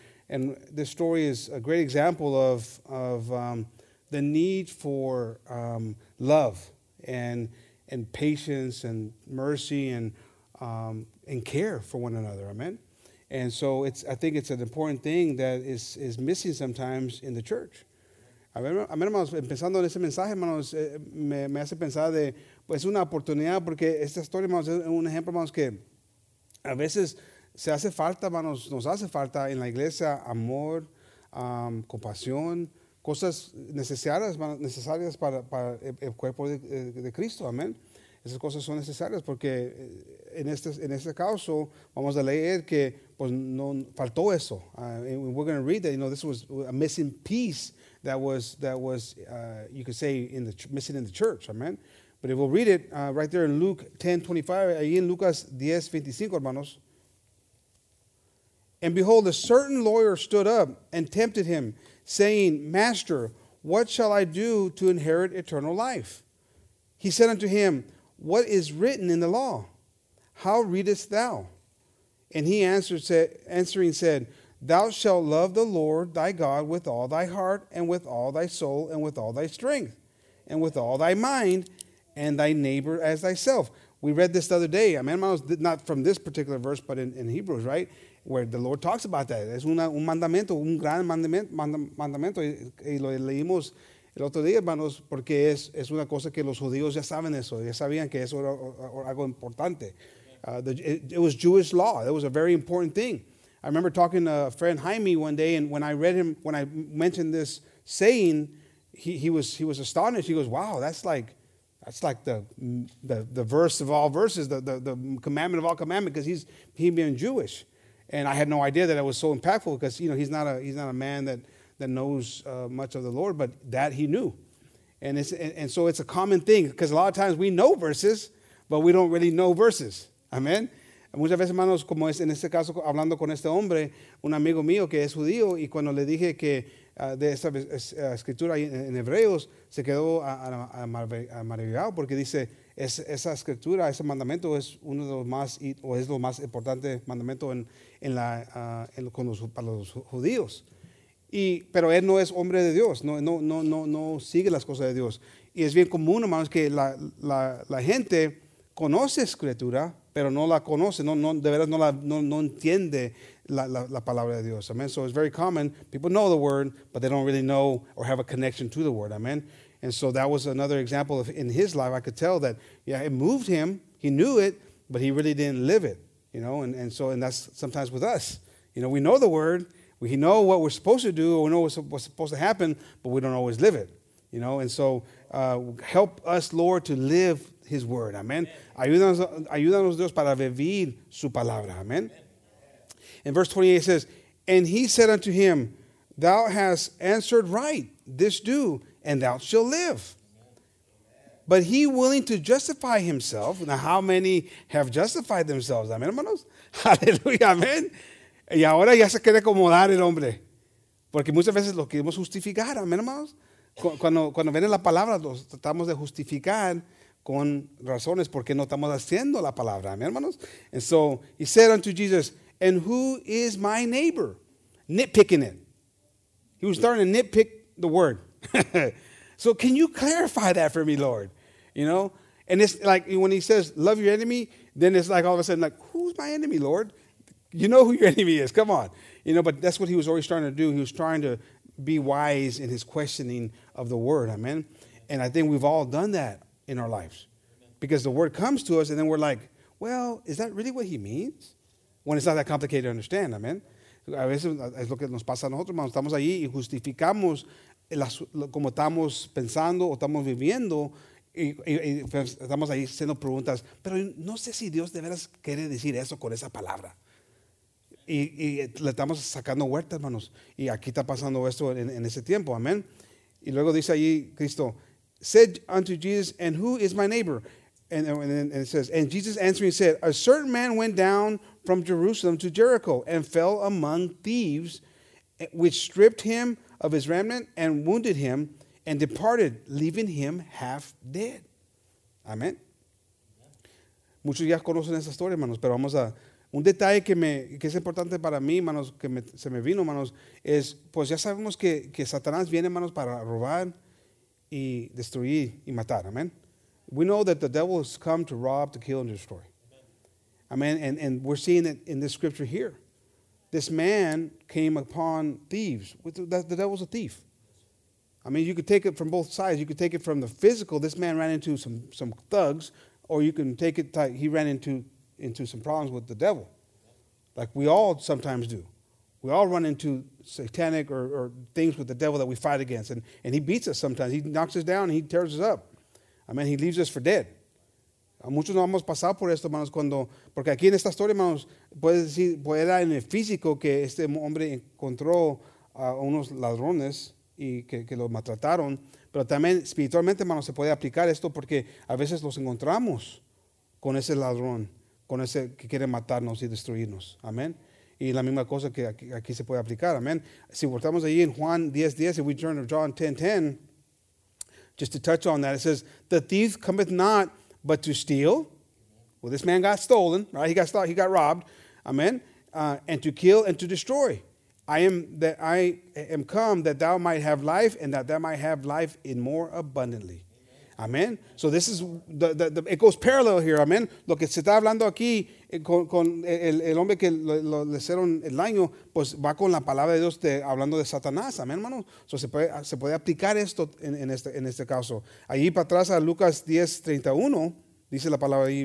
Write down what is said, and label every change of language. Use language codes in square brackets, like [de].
[en] And this story is a great example of the need for love and patience and mercy and care for one another. Amen. And so I think it's an important thing that is missing sometimes in the church. [es] Amen, hermanos. Empezando en ese mensaje, hermanos, me hace pensar de pues una oportunidad porque esta historia, hermanos, es un ejemplo, hermanos, que a veces se hace falta, hermanos, nos hace falta en la iglesia amor, compasión, cosas necesarias, hermanos, necesarias para el cuerpo de Cristo, amén. Esas cosas son necesarias porque en este caso vamos a leer que pues no faltó eso. [en] We're going to read that, you know, this was a missing piece missing in the church, amén. But if we'll read it right there in Luke 10:25, [es] ahí en Lucas 10:25, hermanos. [en] And behold, a certain lawyer stood up and tempted him, saying, Master, what shall I do to inherit eternal life? He said unto him, What is written in the law? How readest thou? And he answering said, Thou shalt love the Lord thy God with all thy heart and with all thy soul and with all thy strength and with all thy mind and thy neighbor as thyself. We read this the other day. Amen, hermanos, not from this particular verse, but in Hebrews, right? Where the Lord talks about that. [es] Es un mandamiento, un gran mandamiento. Y lo leímos el otro día, hermanos, porque es una cosa que los judíos ya saben eso. Ya sabían que eso era algo importante. [en] It was Jewish law. It was a very important thing. I remember talking to a friend, Jaime, one day, and when I mentioned this saying, he was astonished. He goes, wow, that's like the verse of all verses, the commandment of all commandments, because he being Jewish. And I had no idea that it was so impactful because, you know, he's not a man that knows much of the Lord, but that he knew. And so it's a common thing because a lot of times we know verses, but we don't really know verses. Amen. [es] Muchas veces, hermanos, como es en este caso, hablando con este hombre, un amigo mío que es judío, y cuando le dije que de esta escritura en Hebreos se quedó maravillado porque dice esa escritura, ese mandamiento es uno de los más o es lo más importante mandamiento para los judíos. Y pero él no es hombre de Dios, no sigue las cosas de Dios. Y es bien común, hermanos, que la gente conoce escritura, pero no la conoce, no entiende la palabra de Dios. [en] Amen. So it's very common. People know the word, but they don't really know or have a connection to the word. Amen. And so that was another example of in his life. I could tell that, yeah, it moved him. He knew it, but he really didn't live it, you know. And that's sometimes with us. You know, we know the word. We know what we're supposed to do. Or we know what's supposed to happen, but we don't always live it, you know. And so help us, Lord, to live his word. Amen. [es] Ayúdanos, Dios, para vivir su palabra. Amen. [en] In verse 28, it says, and he said unto him, thou hast answered right, this do, and thou shalt live. But he willing to justify himself. Now, how many have justified themselves? Amen, hermanos. Hallelujah, amen. [es] Y ahora ya se quiere acomodar el hombre. Porque muchas veces lo queremos justificar, amen, hermanos. Cuando viene la palabra, lo tratamos de justificar con razones porque no estamos haciendo la palabra, amen, hermanos. [en] And so he said unto Jesus, and who is my neighbor? Nitpicking it. He was starting to nitpick the word. So can you clarify that for me, Lord? You know? And it's like when he says, love your enemy, then it's like all of a sudden, like, who's my enemy, Lord? You know who your enemy is. Come on. You know, but that's what he was always trying to do. He was trying to be wise in his questioning of the word. Amen. And I think we've all done that in our lives. Because the word comes to us, and then we're like, well, is that really what he means? When it's not that complicated to understand, amen. [es] A veces es lo que nos pasa a nosotros, hermanos. Estamos ahí y justificamos como estamos pensando o estamos viviendo y estamos ahí haciendo preguntas. Pero no sé si Dios de veras quiere decir eso con esa palabra. Y le estamos sacando huerta, hermanos. Y aquí está pasando esto en ese tiempo, amén. Y luego dice ahí Cristo, [en] said unto Jesus, and who is my neighbor? And it says, and Jesus answering said, a certain man went down from Jerusalem to Jericho and fell among thieves, which stripped him of his raiment and wounded him and departed, leaving him half dead. Amen. [es] Muchos ya conocen esa historia, hermanos, pero vamos a un detalle que es importante para mí, hermanos, que se me vino, hermanos, es pues ya sabemos que Satanás viene, hermanos, para robar y destruir y matar. Amen. [en] We know that the devil has come to rob, to kill, and destroy. Amen. And we're seeing it in this scripture here. This man came upon thieves. The devil's a thief. I mean, you could take it from both sides. You could take it from the physical. This man ran into some thugs. Or you can take it, he ran into some problems with the devil. Like we all sometimes do. We all run into satanic or things with the devil that we fight against. And he beats us sometimes. He knocks us down and he tears us up. I mean, he leaves us for dead. [es] A muchos no hemos pasado por esto, hermanos, cuando, porque aquí en esta historia, hermanos, puede decir, pues era en el físico que este hombre encontró a unos ladrones y que lo maltrataron, pero también espiritualmente, hermanos, se puede aplicar esto porque a veces los encontramos con ese ladrón, con ese que quiere matarnos y destruirnos. Amén. Y la misma cosa que aquí se puede aplicar. Amén. Si voltamos allí en Juan 10:10, [en] if we turn to John 10:10, just to touch on that, it says, the thief cometh not but to steal. Well, this man got stolen, right? He got stolen, he got robbed. Amen. And to kill and to destroy. I am come that thou might have life and that thou might have life in more abundantly. Amen. So this is the it goes parallel here. Amen. [es] Lo que se está hablando aquí con el hombre que lo le hicieron el daño, pues va con la palabra de Dios hablando de Satanás. Amen, hermano. So se puede aplicar esto en este caso. Allí para atrás a Lucas 10:31, dice la palabra ahí.